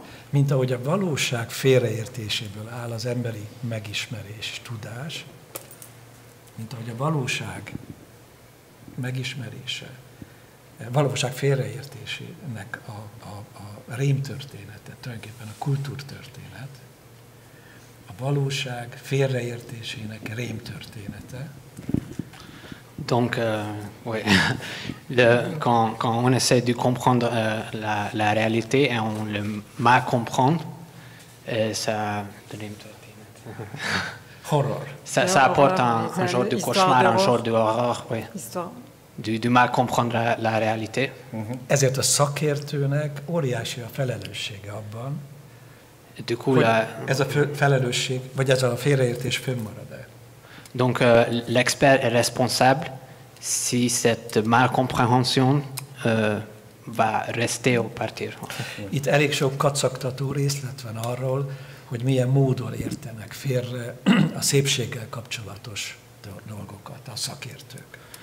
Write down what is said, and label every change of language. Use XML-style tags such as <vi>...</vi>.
<hu>mint ahogy a valóság félreértéséből áll az emberi megismerés tudás, mint ahogy a valóság megismerése, valóság félreértésének a rémtörténete, tulajdonképpen a kultúrtörténet, a valóság félreértésének rémtörténete.</hu> <fr>Donc, oui, quand on essaie de comprendre la réalité et on le mal comprend, ça de rémtörténet.</fr> <en>Horror.</en> <fr>Ça apporte un genre de cauchemar, un genre de horror, oui. Du mal comprendre la réalité. Uh-huh.</fr> <hu>Ezért a szakértőnek óriási a felelőssége abban,</hu> <fr>du coup, hogy</fr> <hu>ez a felelősség, vagy ez a félreértés fönnmarad-e.</hu> <fr>Donc l'expert est responsable si cette malcompréhension va rester ou partir.</fr> <hu>Itt elég sok kacagtató részlet van arról, hogy milyen módon értenek félre a szépséggel kapcsolatos dolgokat a szakértők.</hu>